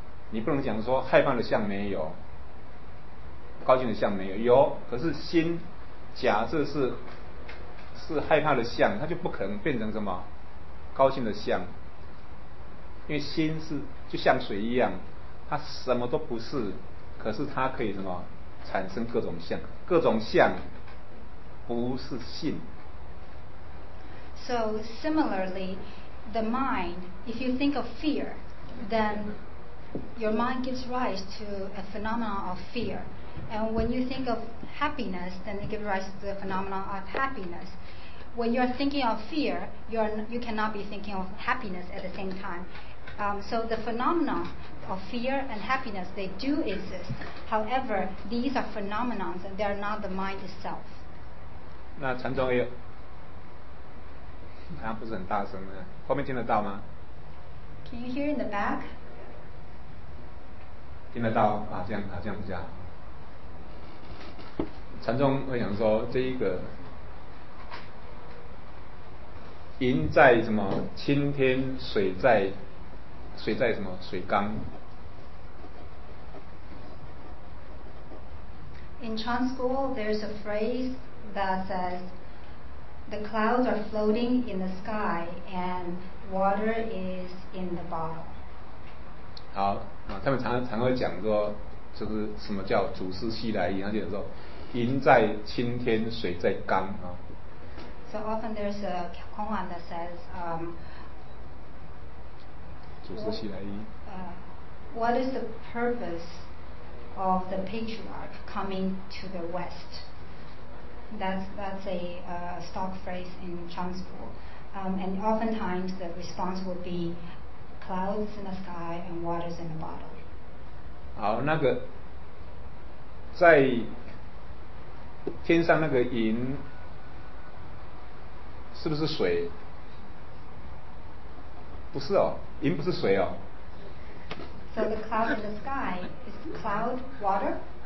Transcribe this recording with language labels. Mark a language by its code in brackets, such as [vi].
[zh] 你不能讲说害怕的相没有，高兴的相没有，有，可是心假设是害怕的相，它就不可能变成什么高兴的相，因为心是就像水一样，它什么都不是，可是它可以什么产生各种相，各种相不是性。 [en] So similarly, the mind, if you think of fear, then your mind gives rise to a phenomenon of fear. And when you think of happiness, then it gives rise to the phenomenon of happiness. When you're thinking of fear, you cannot be thinking of happiness at the same time. So the phenomena of fear and happiness, they do exist. However, these are phenomena, they are not the mind itself. [zh] 那禅宗也好像不是很大声的，后面听得到吗？ [en] Can you hear in the back? [zh] 听得到啊，这样比较好。禅宗会想说这一个云在什么青天，水在什么水缸。 [en] In Chan school there's a phraseThat says, the clouds are floating in the sky and water is in the bottle. [zh] 好，他们常会讲说，就是什么叫祖师西来云，他就说，云在青天，水在缸啊。 [en] So often there's a koan that says, [zh] 祖师西来云。 [en] What is the purpose of the patriarch coming to the west? That's a stock phrase in Chinese school. And oftentimes the response would be clouds in the sky and waters in the bottle. [zh] 好，那个在天上那个云是不是水？不是哦，云不是水哦。 [en] So the cloud in the sky is cloud water?